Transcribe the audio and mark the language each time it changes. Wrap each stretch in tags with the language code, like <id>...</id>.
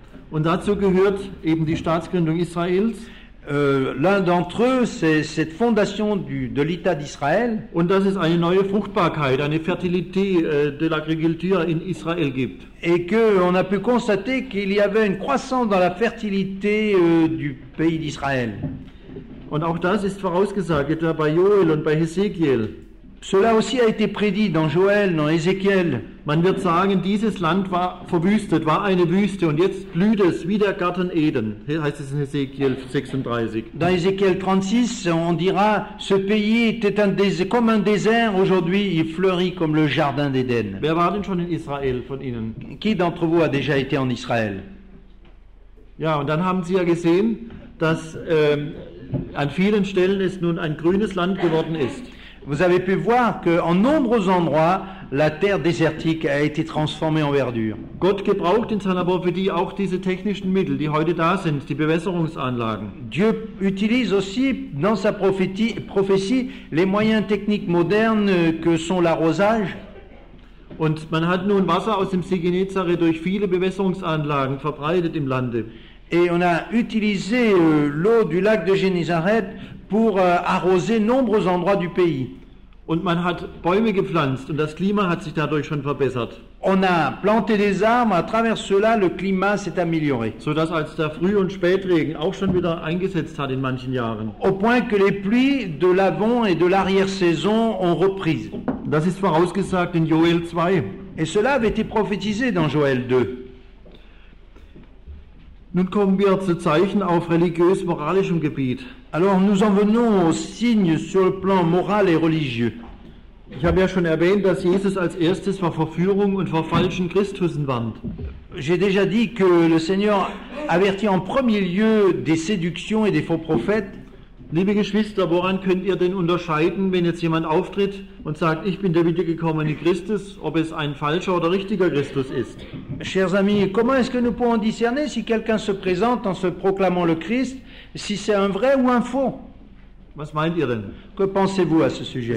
<de>Und dazu gehört eben die Staatsgründung Israels.</de> <fr>L'un d'entre eux, c'est cette fondation de l'État d'Israël.</fr> <de>Und dass es eine neue Fruchtbarkeit, eine</de> <fr>Fertilité de l'agriculture</fr> <de>in Israël gibt.</de> <fr>Et qu'on a pu constater qu'il y avait une croissance dans la fertilité du pays d'Israël.</fr> <de>Und auch das ist vorausgesagt, etwa bei Joel und bei Hesekiel.</de> <fr>Cela aussi a été prédit dans Joël, dans Ézéchiel.</fr> <de>Man wird sagen, dieses Land war verwüstet, war eine Wüste und jetzt blüht es wie der Garten Eden, heißt es in Ézéchiel 36.</de> <fr>Dans Ézéchiel 36, on dira, ce pays était comme un désert, aujourd'hui il fleurit comme le jardin d'Éden.</fr> <de>Wer war denn schon in Israel von Ihnen?</de> <fr>Qui d'entre vous a déjà été en Israël?</fr> <de>Ja, und dann haben Sie ja gesehen, dass an vielen Stellen es nun ein grünes Land geworden ist.</de> <fr>Vous avez pu voir qu'en nombreux endroits, la terre désertique a été transformée en verdure.</fr> <de>Gott gebraucht in seiner Prophetie auch diese technischen Mittel, die heute da sind, die Bewässerungsanlagen.</de> <fr>Dieu utilise aussi dans sa prophétie les moyens techniques modernes que sont l'arrosage.</fr> <de>Und man hat nun Wasser aus dem See Genezareth durch viele Bewässerungsanlagen verbreitet im Lande.</de> <fr>Et on a utilisé l'eau du lac de Genezareth pour arroser nombreux endroits du pays.</fr> <de>Und man hat Bäume gepflanzt und das Klima hat sich dadurch schon verbessert.</de> <fr>On a planté des arbres, à travers cela le climat s'est amélioré.</fr> <de>So dass als der Früh- und Spätregen auch schon wieder eingesetzt hat in manchen Jahren.</de> <fr>Au point que les pluies de l'avant et de l'arrière-saison ont repris.</fr> <de>Das ist vorausgesagt in Joel 2.</de> <fr>Et cela avait été prophétisé dans Joel 2.</fr> <de>Nun kommen wir zu Zeichen auf religiös-moralischem Gebiet.</de> <fr>Alors nous en venons aux signes sur le plan moral et religieux.</fr> <de>Ich habe ja schon erwähnt, dass Jesus als erstes vor Verführung und vor falschen Christussen warnt.</de> <fr>J'ai déjà dit que le Seigneur avertit en premier lieu des séductions et des faux prophètes.</fr> <de>Liebe Geschwister, woran könnt ihr denn unterscheiden, wenn jetzt jemand auftritt und sagt, ich bin der wiedergekommene Christus, ob es ein falscher oder richtiger Christus ist?</de> <fr>Chers amis, comment est-ce que nous pouvons discerner si quelqu'un se présente en se proclamant le Christ, si c'est un vrai ou un faux?</fr> <de>Was meint ihr denn?</de> <fr>Que pensez-vous à ce sujet?</fr>